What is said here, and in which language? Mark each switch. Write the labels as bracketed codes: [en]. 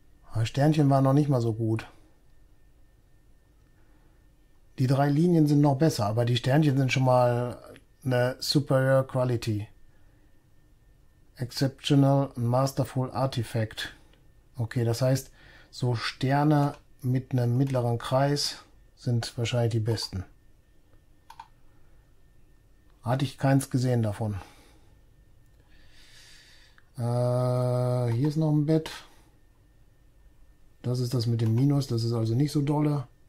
[de] Aber Sternchen waren noch nicht mal so gut. Die drei Linien sind noch besser, aber die Sternchen sind schon mal eine [en] superior quality. Exceptional and masterful artifact. [de] Okay, das heißt, so Sterne mit einem mittleren Kreis sind wahrscheinlich die besten. Hatte ich keins gesehen davon. Hier ist noch ein Bett. Das ist das mit dem Minus, das ist also nicht so dolle.